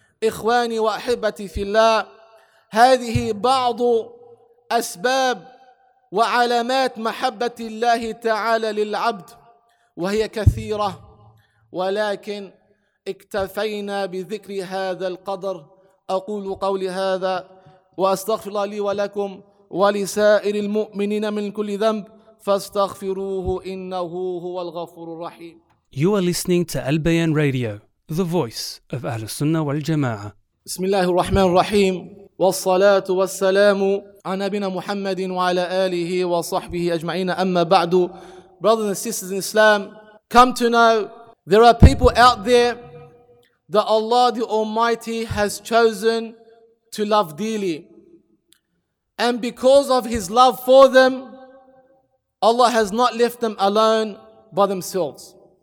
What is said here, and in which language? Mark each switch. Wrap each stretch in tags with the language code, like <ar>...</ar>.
<ar>إخواني وأحبتي في الله، هذه بعض أسباب وعلامات محبة الله تعالى للعبد، وهي كثيرة، ولكن اكتفينا بذكر هذا القدر. أقول قولي هذا وأستغفر الله لي ولكم ولسائر المؤمنين من كل ذنب، فاستغفروه إنه هو الغفور الرحيم.</ar> <en>You are listening to Al-Bayan Radio, the voice of</en> <ar>أهل السنة والجماعة. بسم الله الرحمن الرحيم، والصلاة والسلام على نبينا محمد وعلى آله وصحبه أجمعين. أما بعد،</ar> <en>brothers and sisters in Islam, come to know there are people out there that Allah the Almighty has chosen to love dearly. And because of His love for them, Allah has not left them alone by themselves.</en>